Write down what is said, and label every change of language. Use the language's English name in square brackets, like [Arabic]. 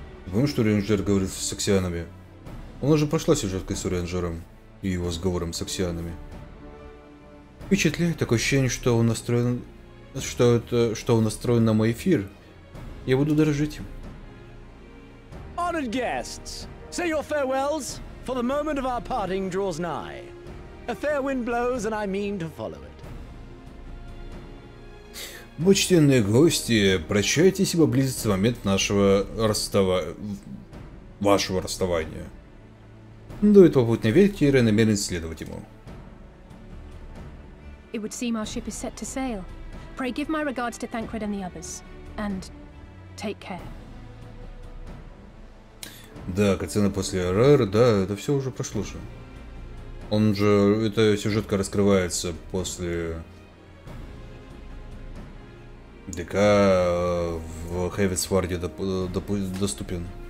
[Russian] Помнишь, что Рейнджер говорит с Аксианами? Он уже прошла сюжеткой с Уренджером и его сговором с Аксианами. Впечатляет, такое ощущение, что он настроен. Что он настроен на мой эфир. Я буду дорожить им. [English] Honored guests! Say your farewells, for the moment of our parting draws nigh. A fair wind blows, and I mean to follow it. [Russian] Почтенные гости, прощайтесь, ибо близится момент вашего расставания. Дует попутный ветер и намерен следовать ему. [English] it would seem our ship is set to sail. Pray give my regards to Thancred and the others. And take care. [Russian] Да, катсцена после РР, да, это все уже прошло же. Он же, эта сюжетка раскрывается после... ДК в Хэвитсварде доступен.